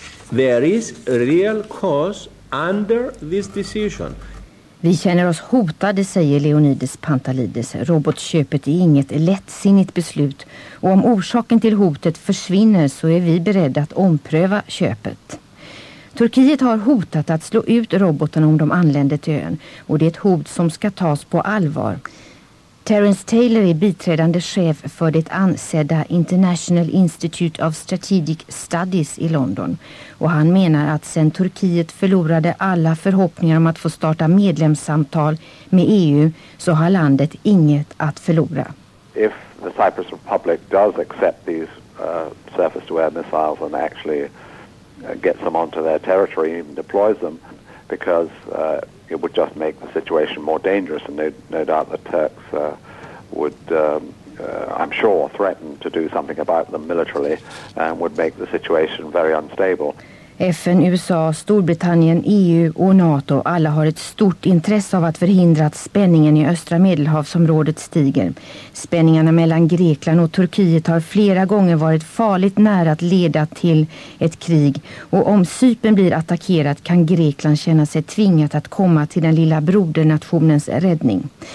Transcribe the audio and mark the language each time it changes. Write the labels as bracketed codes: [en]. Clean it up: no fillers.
[en] There is a real cause under this decision. [sv] Vi känner oss hotade, säger Leonidis Pantalidis. Robotköpet är inget lättsinnigt beslut. Och om orsaken till hotet försvinner så är vi beredda att ompröva köpet. Turkiet har hotat att slå ut robotarna om de anländer till ön. Och det är ett hot som ska tas på allvar. Terence Taylor är biträdande chef för det ansedda International Institute of Strategic Studies i London. Och han menar att sen Turkiet förlorade alla förhoppningar om att få starta medlemssamtal med EU så har landet inget att förlora. [en] If the Cyprus Republic does accept these surface-to-air missiles and actually gets them onto their territory and deploys them because it would just make the situation more dangerous and no doubt the Turks would I'm sure threaten to do something about them militarily and would make the situation very unstable. [sv] FN, USA, Storbritannien, EU och NATO alla har ett stort intresse av att förhindra att spänningen i östra Medelhavsområdet stiger. Spänningarna mellan Grekland och Turkiet har flera gånger varit farligt nära att leda till ett krig. Och om Cypern blir attackerat kan Grekland känna sig tvingat att komma till den lilla brodernationens räddning.